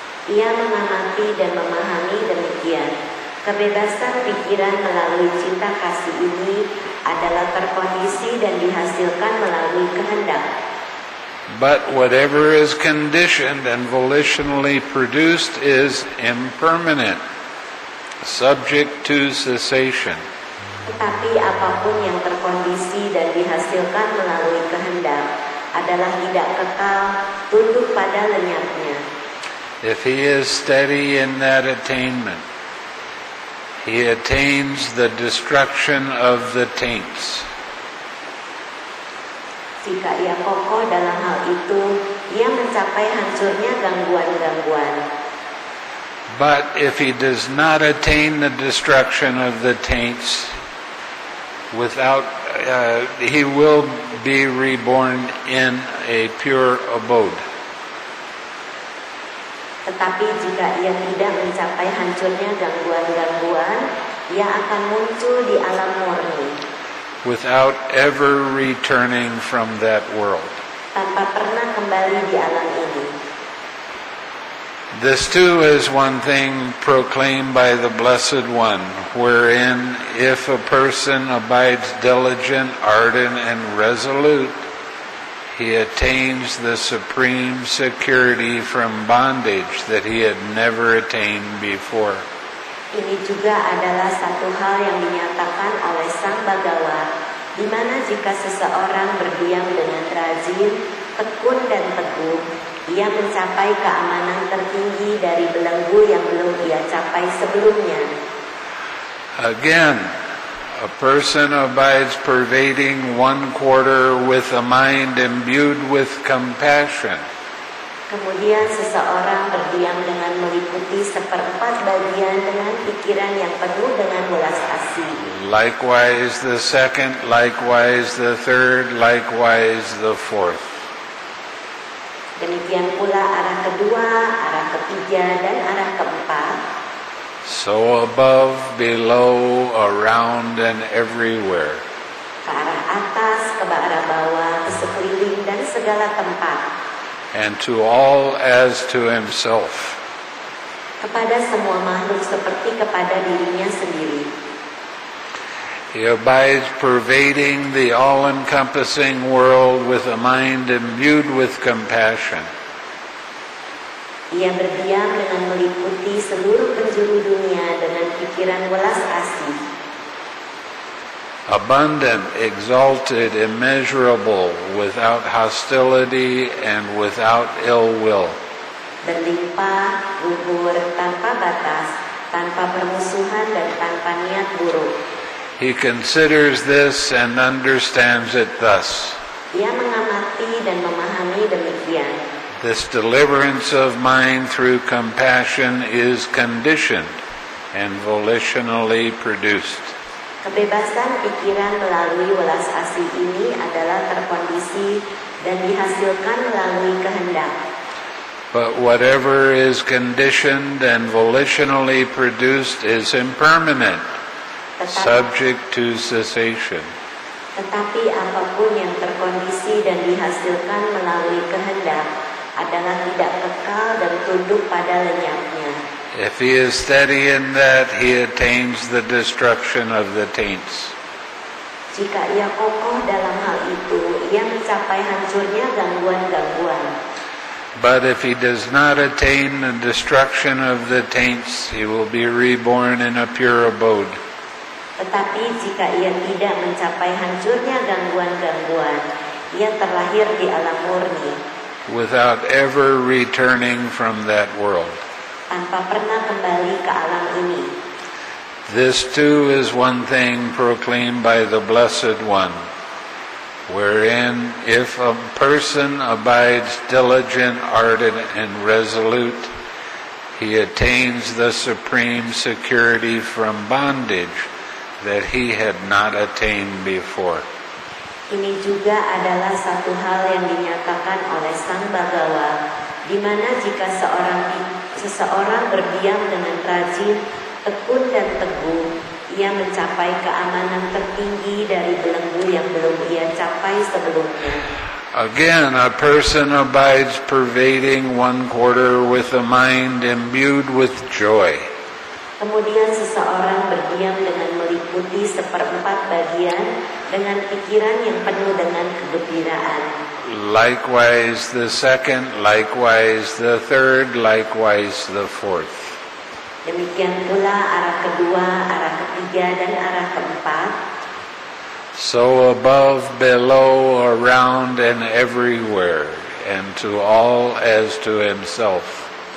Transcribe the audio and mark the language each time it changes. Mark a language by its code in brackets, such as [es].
[id] Ia mengamati dan memahami demikian. Kebebasan pikiran melalui cinta kasih ini adalah terkondisi dan dihasilkan melalui kehendak. [en] But whatever is conditioned and volitionally produced is impermanent, subject to cessation. [id] Tetapi apapun yang terkondisi dan dihasilkan melalui kehendak adalah tidak kekal, tunduk pada lenyapnya. [en] If he is steady in that attainment, he attains the destruction of the taints. [id] Jika ia kokoh dalam hal itu, ia mencapai hancurnya gangguan-gangguan. [en] But if he does not attain the destruction of the taints without he will be reborn in a pure abode. [id] Tetapi jika ia tidak mencapai hancurnya gangguan-gangguan, ia akan muncul di alam murni. [en] Without ever returning from that world. [id] Tanpa pernah kembali di alam ini. [en] This too is one thing proclaimed by the Blessed One, wherein if a person abides diligent, ardent, and resolute, he attains the supreme security from bondage that he had never attained before. [id] Ini juga adalah satu hal yang dinyatakan oleh Sang Bhagawa, di mana jika seseorang berdiam dengan rajin, tekun dan teguh, ia mencapai keamanan tertinggi dari belenggu yang belum ia capai sebelumnya. [en] Again, a person abides pervading one quarter with a mind imbued with compassion. [id] Kemudian seseorang berdiam dengan meliputi seperempat bagian dengan pikiran yang penuh dengan belas kasih. [en] Likewise the second, likewise the third, likewise the fourth. [id] Demikian pula arah kedua, arah ketiga, dan arah keempat. [en] So above, below, around, and everywhere. [id] Ke arah atas, ke arah bawah, ke sekeliling, dan segala tempat. [en] And to all as to himself. [id] Kepada semua makhluk seperti kepada dirinya sendiri. [en] He abides pervading the all-encompassing world with a mind imbued with compassion. [id] Ia berdiam dengan meliputi seluruh penjuru dunia dengan pikiran welas asih. [en] Abundant, exalted, immeasurable, without hostility and without ill will. [id] Berlimpah, luhur, tanpa batas, tanpa permusuhan dan tanpa niat buruk. [en] He considers this and understands it thus. [id] Ia mengamati dan memahami demikian. [en] This deliverance of mind through compassion is conditioned and volitionally produced. [id] Kebebasan pikiran melalui welas asih ini adalah terkondisi dan dihasilkan melalui kehendak. [en] But whatever is conditioned and volitionally produced is impermanent, subject to cessation. [id] Tetapi apapun yang terkondisi dan dihasilkan melalui kehendak adalah tidak kekal dan tunduk pada lenyapnya. [en] If he is steady in that, he attains the destruction of the taints. [id] Jika ia kokoh dalam hal itu, ia mencapai hancurnya gangguan-gangguan. [en] But if he does not attain the destruction of the taints, he will be reborn in a pure abode. [id] Tetapi jika ia tidak mencapai hancurnya gangguan-gangguan, ia terlahir di alam murni. [en] Without ever returning from that world. [id] Tanpa pernah kembali ke alam ini. [en] This too is one thing proclaimed by the Blessed One, wherein if a person abides diligent, ardent, and resolute, he attains the supreme security from bondage that he had not attained before. [id] Ini juga adalah satu hal yang dinyatakan oleh Sang Bhagawa, di mana jika seseorang berdiam dengan rajin, tekun dan teguh, ia mencapai keamanan tertinggi dari belenggu yang belum ia capai sebelumnya. [en] Again, a person abides pervading one quarter with a mind imbued with joy. [id] Kemudian seseorang berdiam dengan meliputi seperempat bagian dengan pikiran yang penuh dengan kegembiraan. [en] Likewise the second, likewise the third, likewise the fourth. [id] Demikian pula arah kedua, arah ketiga, dan arah keempat. [en] So above, below, around, and everywhere, and to all as to himself.